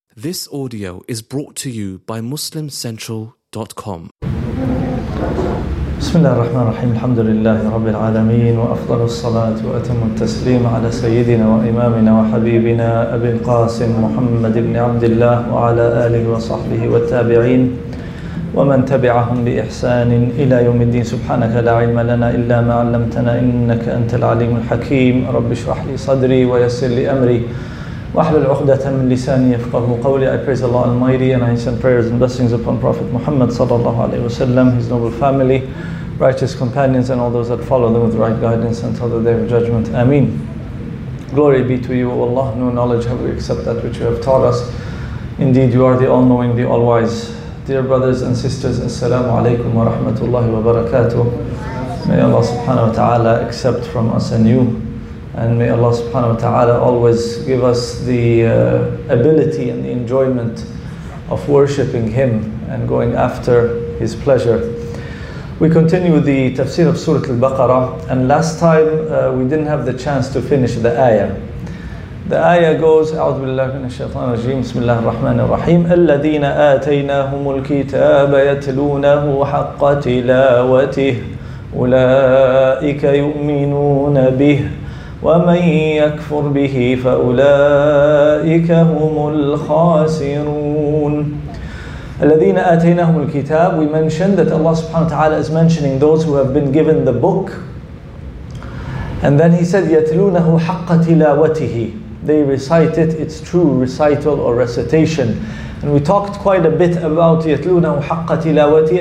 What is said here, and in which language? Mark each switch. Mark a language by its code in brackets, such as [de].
[en] This audio is brought to you by MuslimCentral.com. [ar] بسم الله الرحمن الرحيم الحمد لله رب العالمين وأفضل الصلاة وأتم التسليم على سيدنا وإمامنا وحبيبنا أبي القاسم محمد بن عبد الله وعلى آله وصحبه والتابعين ومن تبعهم بإحسان إلى يوم الدين سبحانك لا علم لنا إلا ما علمتنا إنك أنت العليم الحكيم رب اشرح لي صدري ويسر لي أمري وأحلل عقدة من لساني يفقهوا قولي. [en] I praise Allah Almighty and I send prayers and blessings upon Prophet Muhammad sallallahu alaihi wasallam, his noble family, righteous companions and all those that follow them with right guidance until the day of judgment. Ameen. Glory be to you, O Allah, no knowledge have we except that which you have taught us. Indeed, you are the all-knowing, the all-wise. Dear brothers and sisters, assalamu alaikum wa rahmatullahi wa barakatuh. May Allah subhanahu wa ta'ala accept from us and you. And may Allah subhanahu wa ta'ala always give us the ability and the enjoyment of worshipping Him and going after His pleasure. We continue the tafsir of Surah Al-Baqarah. And last time we didn't have the chance to finish the ayah. The ayah goes, [ar] أعوذ بالله من الشيطان الرجيم بسم الله الرحمن الرحيم الذين آتيناهم الكتاب يتلونه حق تلاوته أولئك يؤمنون به وَمَنْ يَكْفُرْ بِهِ فَأُولَٰئِكَ هُمُ الْخَاسِرُونَ الَّذِينَ آتَيْنَاهُمُ الْكِتَابِ. [en] We mentioned that Allah subhanahu wa ta'ala is mentioning those who have been given the book. And then He said, [ar] يَتْلُونَهُ حَقَّ تِلَاوَتِهِ. [en] They recite it, it's true recital or recitation. And we talked quite a bit about [ar] يَتْلُونَهُ حَقَّ تِلَاوَتِهِ.